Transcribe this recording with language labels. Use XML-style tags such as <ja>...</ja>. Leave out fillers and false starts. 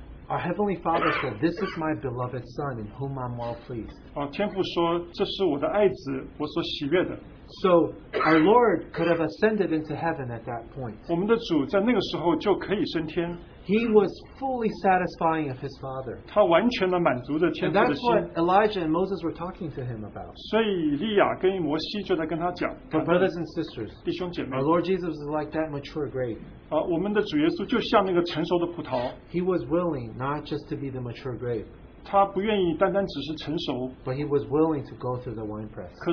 <en>our Heavenly Father said, this is my beloved Son in whom I'm well pleased.</en> <zh>天父说, 这是我的爱子, 我所喜悦的。</zh> <en>So our Lord could have ascended into heaven at that point.</en> <zh>我们的主在那个时候就可以升天。</zh> <en>He was fully satisfying of his Father.</en> <zh>他完全的满足了天父的心。</zh> <en>And that's what Elijah and Moses were talking to him about.</en> <zh>所以利亚跟摩西就在跟他讲,</zh> <en>but brothers and sisters,</en> <zh>弟兄姐妹,</zh> <en>our Lord Jesus is like that mature grape.</en> <zh>我们的主耶稣就像那个成熟的葡萄。</zh> <en>He was willing not just to be the mature grape,</en> <zh>他不愿意单单只是成熟,</zh> <en>but he was willing to go through the wine press.</en>